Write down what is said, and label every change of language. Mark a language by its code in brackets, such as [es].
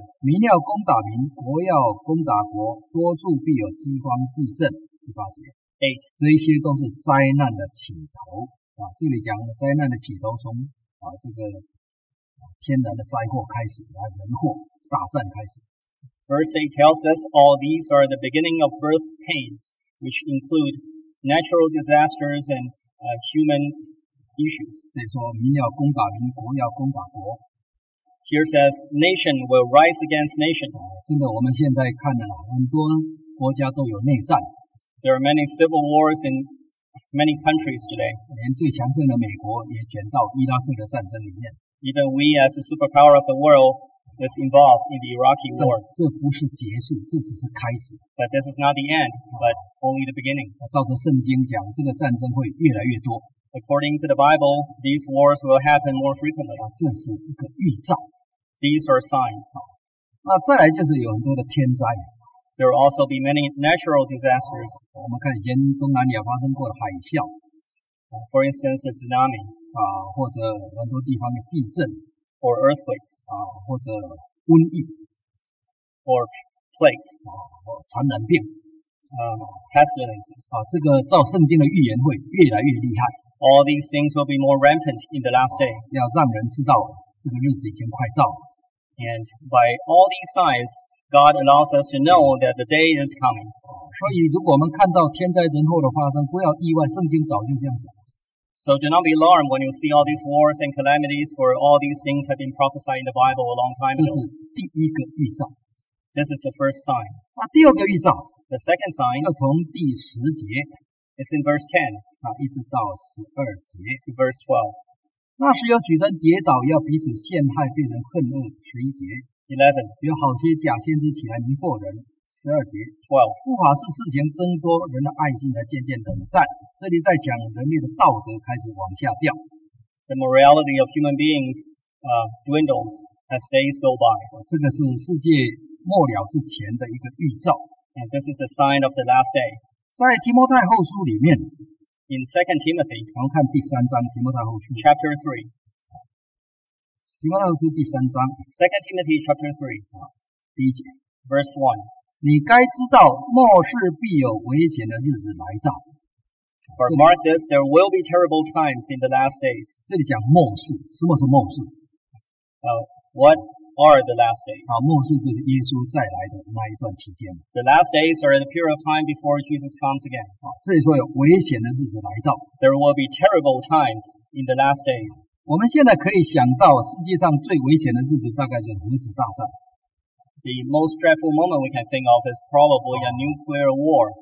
[zh] 民要攻打民，国要攻打国，多处必有饥荒地震。第八节 [en] ,8. [zh] 这一些都是灾难的起头。这里讲灾难的起头从这个天然的灾祸开始，人祸大战开始。 [en] Verse 8 tells us all these are the beginning of birth pains, which include natural disasters and human issues. [zh] 这里说民要攻打民，国要攻打国。 [en] Here says, nation will rise against nation. [zh] 真的我们现在看了很多国家都有内战。 [en] There are many civil wars in many countries today. [zh] 连最强盛的美国也卷到伊拉克的战争里面。 [en] Even we as a superpower of the world is involved in the Iraqi war. [zh] 这不是结束，这只是开始。 [en] But this is not the end, but only the beginning. [zh] 照着圣经讲，这个战争会越来越多。 [en] According to the Bible, these wars will happen more frequently. [zh] 这是一个预兆。 [en] These are signs. [zh] 那再来就是有很多的天灾。 [en] There will also be many natural disasters. [zh] 我们看以前东南亚发生过的海啸。 [en] For instance, the tsunami. [zh] 或者很多地方的地震。 [en] Or earthquakes. [zh] 或者瘟疫。 [en] Or plagues. [zh] 或传染病。 [en] Pestilences. [zh] 这个照圣经的预言会越来越厉害。 [en] All these things will be more rampant in the last day. [zh] 要让人知道这个日子已经快到了。 [en] And by all these signs, God allows us to know that the day is coming. [zh] 所以如果我们看到天灾人祸的发生，不要意外，圣经早就这样讲。 [en] So do not be alarmed when you see all these wars and calamities, for all these things have been prophesied in the Bible a long time ago. [zh] 这是第一个预兆。 [en] This is the first sign. [zh] 那第二个预兆。 [en] The second sign. [zh] 要从第十节。 [en] It's in verse 10. [zh] 一直到十二节。 [en] Verse 12. [zh] 那时有许多跌倒，要彼此陷害，被人恨恶。十一节。 [en] 11. [zh] 有好些假先知起来迷惑人。十二节。 [en] 12. [zh] 不法事事情增多，人的爱心才渐渐冷淡。这里在讲人类的道德开始往下掉。 [en] The morality of human beings, dwindles as days go by. [zh] 这个是世界末了之前的一个预兆。 [en] And this is a sign of the last day. [zh] 在提摩太后书里面。 [en] In 2 Timothy, [zh] 我们看第三章提摩太后书。 [en] Chapter 3. [zh] 提摩太后书第三章。 [en] 2 Timothy chapter 3. [zh] 第一节。 [en] Verse 1. [zh] 你该知道末世必有危险的日子来到。 [en] For mark this, there will be terrible times in the last days. [zh] 这里讲末世，什么是末世？ [en] What are the last days? [zh] 末世就是耶稣再来的那一段期间。 [en] The last days are the period of time before Jesus comes again. [zh] 这里说有危险的日子来到。 [en] There will be terrible times in the last days. [zh] 我们现在可以想到世界上最危险的日子大概就是核子大战。 [en] The most dreadful moment we can think of is probably a nuclear war.